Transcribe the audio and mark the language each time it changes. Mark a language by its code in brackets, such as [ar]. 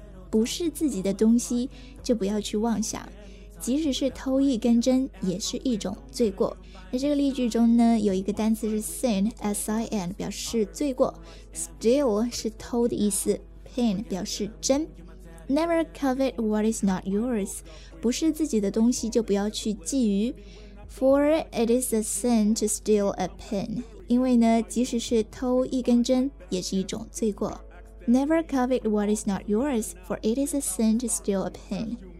[zh] 不是自己的东西就不要去妄想即使是偷一根针也是一种罪过那这个例句中呢有一个单词是 sin S-I-N 表示罪过 steal 是偷的意思 pen 表示针 [en] Never covet what is not yours. [zh] 不是自己的东西就不要去觊觎。 [en] For it is a sin to steal a pin. [zh] 因为呢，即使是偷一根针，也是一种罪过。 [en] Never covet what is not yours, for it is a sin to steal a pin.